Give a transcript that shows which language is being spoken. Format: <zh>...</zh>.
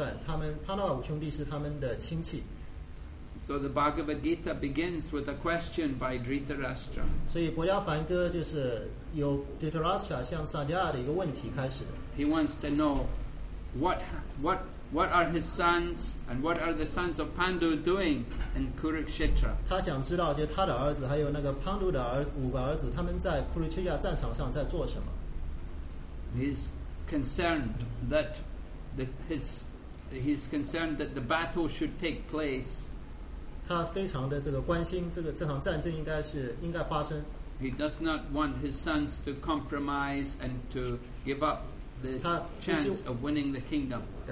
<zh>他们准备跟帕拉瓦武兄弟作战，他们帕拉瓦武兄弟是他们的亲戚。</zh> <en>So the Bhagavad Gita begins with a question by Dhritarashtra.</en> <zh>所以伯牙梵歌就是由 Dhritarashtra 向萨迦亚的一个问题开始的。</zh> <en>He wants to know what are his sons and what are the sons of Pandu doing in Kurukshetra?</en> <zh>他想知道就是他的儿子还有那个Pandu的儿子五个儿子他们在 Kurukshetra战场上在做什么。</zh> <en>He's concerned that the battle should take place.</en> <zh>他非常的这个关心这场战争应该发生。</zh> <en>He does not want his sons to compromise and to give up the chance of winning the kingdom.</en>